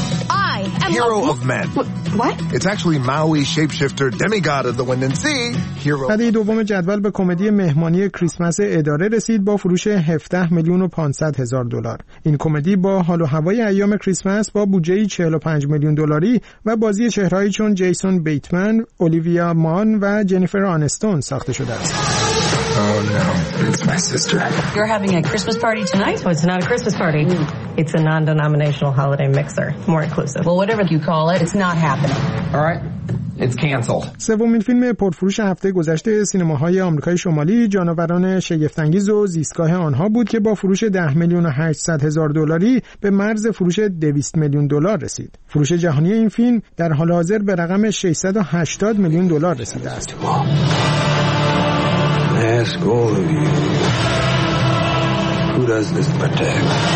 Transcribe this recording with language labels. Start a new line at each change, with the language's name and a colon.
English: I am hero of men. What? It's actually Maui shapeshifter demigod of the wind and sea. Hero.
Persian: پدی دوم جدول به کمدی مهمانی کریسمس اداره رسید با فروش 17 میلیون و 500 هزار دلار. این کمدی با حال و هوای ایام کریسمس با بودجه 45 میلیون دلاری و بازی چهره‌هایی چون جیسون بیتمن، اولیویا مان و جنیفر آنستون ساخته شده است.
English: Oh no, it's my sister. You're having a Christmas party tonight? Well, it's not a Christmas party. It's a non-denominational holiday mixer. More inclusive. Well, whatever you call it, it's not happening. All right.
Persian: سومین فیلم پرفروش هفته گذشته سینماهای آمریکای شمالی جانوران شگفت‌انگیز و زیستگاه آنها بود که با فروش 10 میلیون و 800 هزار دلاری به مرز فروش 200 میلیون دلار رسید. فروش جهانی این فیلم در حال حاضر به رقم 680 میلیون دلار رسیده است.
English: Ask all of you, who does this protect?